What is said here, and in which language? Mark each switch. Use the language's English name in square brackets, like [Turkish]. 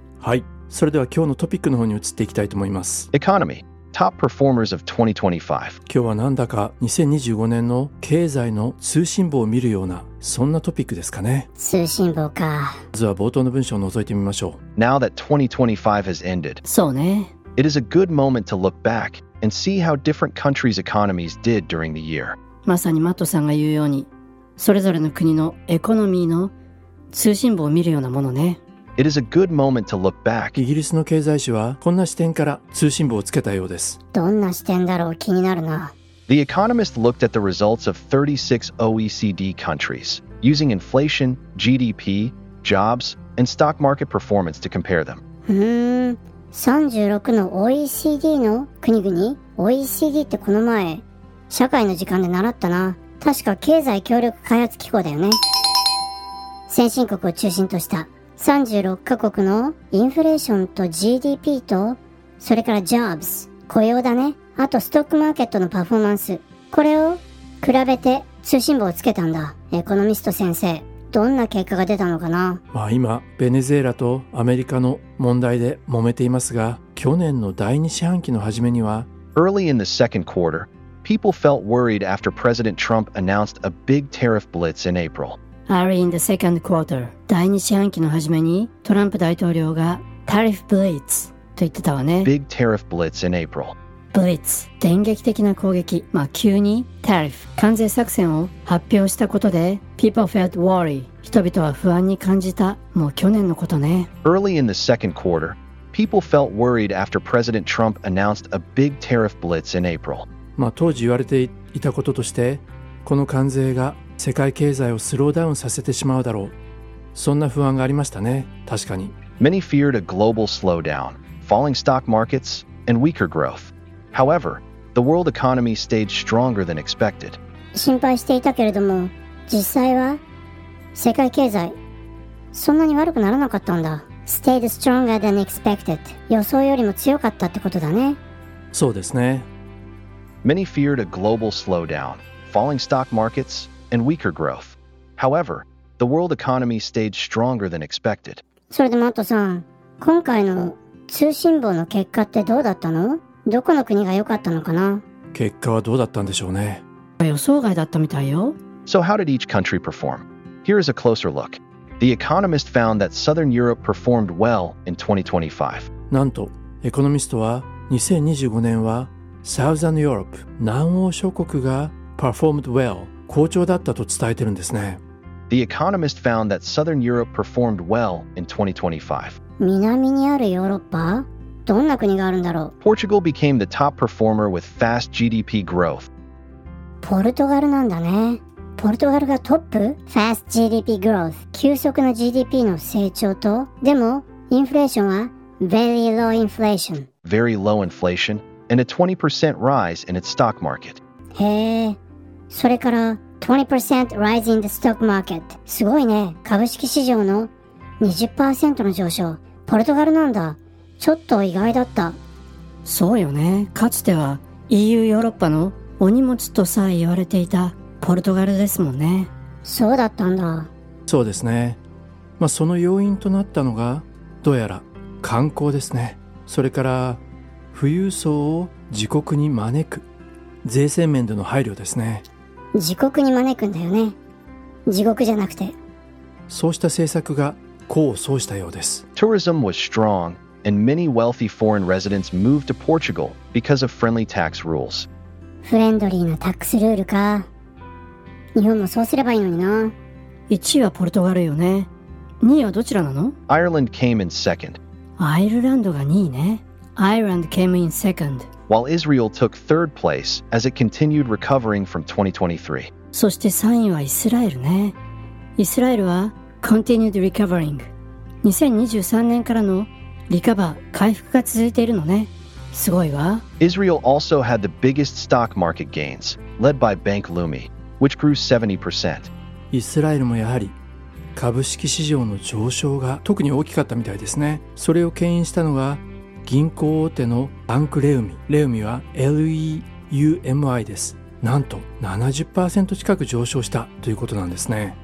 [Japanese] はい、それでは今日のトピックの方に移っていきたいと思います。 [English] Economy Top Performers of 2025。 [Japanese] 今日はなんだか2025年の経済の通信簿を見るような、そんなトピックですかね。通信簿か。まずは冒頭の文章を覗いてみましょう。 [English] Now that 2025 has ended。 [Japanese] そうね。 [English] It is a good moment to look back and see how different countries' economies did during the year。 [Japanese] まさにマットさんが言うように、それぞれの国のエコノミーの通信簿を見るようなものね。 [English] It is a good moment to look back. [Japanese] イギリスの経済誌はこんな視点から通信簿をつけたようです。どんな視点だろう、気になるな。 [English] The Economist looked at the results of 36 OECD countries, using inflation, GDP, jobs, and stock market performance to compare them. [Japanese] 36の OECD の国々、 OECD ってこの前社会の時間で習ったな。確か経済協力開発機構だよね。先進国を中心とした36カ国のインフレーションと GDP と、それからジョブス、雇用だね。あとストックマーケットのパフォーマンス。これを比べて通信簿をつけたんだ。エコノミスト先生、どんな結果が出たのかな。まあ今、ベネズエラとアメリカの問題で揉めていますが、去年の第二四半期の初めには、 [English] Early in the second quarter, people felt worried after President Trump announced a big tariff blitz in April. Early in the second quarter, [Japanese] 第二四半期の初めにトランプ大統領がタリフブリッツと言ってたわね。 [English] Big tariff blitz in April. [Japanese] ブリッツ、電撃的な攻撃、まあ急にタリフ、関税作戦を発表したことで [English] People felt worried. [Japanese] 人々は不安に感じた。もう去年のことね。 [English] Early in the second quarter, People felt worried after President Trump announced a big tariff blitz in April. [Japanese] まあ、当時言われていたこととして、この関税が世界経済をスローダウンさせてしまうだろう。そんな不安がありましたね、確かに。 [English] Many feared a global slowdown, falling stock markets, and weaker growth. However, the world economy stayed stronger than expected. [Japanese] 心配していたけれども、実際は世界経済、そんなに悪くならなかったんだ。 [English] Stayed stronger than expected. [Japanese] 予想よりも強かったってことだね。そうですね。 [English] Many feared a global slowdown, falling stock markets, and weaker growth. However, the world economy stayed stronger than expected. [Japanese] それでマットさん、今回の通信簿の結果ってどうだったの？どこの国が良かったのかな？結果はどうだったんでしょうね。予想外だったみたいよ。 [English] So how did each country perform? Here is a closer look. The Economist found that Southern Europe performed well in 2025. [Japanese] なんと、エコノミストは2025年は [English] Southern Europe [Japanese] 南欧諸国が [English] performed well [Japanese] 好調だったと伝えてるんですね。 [English] The Economist found that Southern Europe performed well in 2025. [Japanese] 南にあるヨーロッパ？どんな国があるんだろう？ [English] Portugal became the top performer with fast GDP growth. [Japanese] ポルトガルなんだね。ポルトガルがトップ [English] Fast GDP Growth [Japanese] 急速な GDP の成長とでもインフレーションは [English] Very low inflation Very low inflation And a 20% rise in its stock market [Japanese] へえ、それから [English] 20% rise in the stock market [Japanese] すごいね株式市場の 20% の上昇ポルトガルなんだちょっと意外だったそうよねかつては EU ヨーロッパのお荷物とさえ言われていたポルトガルですもんねそうだったんだそうですね、まあ、その要因となったのがどうやら観光ですねそれから富裕層を自国に招く税制面での配慮ですね自国に招くんだよね自国じゃなくてそうした政策が功を奏したようです [English] Tourism was strong and many wealthy foreign residents moved to Portugal because of friendly tax rules [Japanese] フレンドリーなタックスルールか日本もそうすればいいのにな 1位はポルトガルよね2位はどちらなの [English] Ireland came in second [Japanese] アイルランドが2位ね [English] Ireland came in second While Israel took third place as it continued recovering from 2023 [Japanese] そして3位はイスラエルねイスラエルは [English] continued recovering [Japanese] 2023年からのリカバー回復が続いているのねすごいわ [English] Israel also had the biggest stock market gains led by Bank Leumi Which grew 70%. [Japanese] イスラエルもやはり株式市場の上昇が特に大きかったみたいですね。それを牽引したのが銀行大手のバンクレウミ。レウミは LEUMI です。なんと 70% 近く上昇したということなんですね。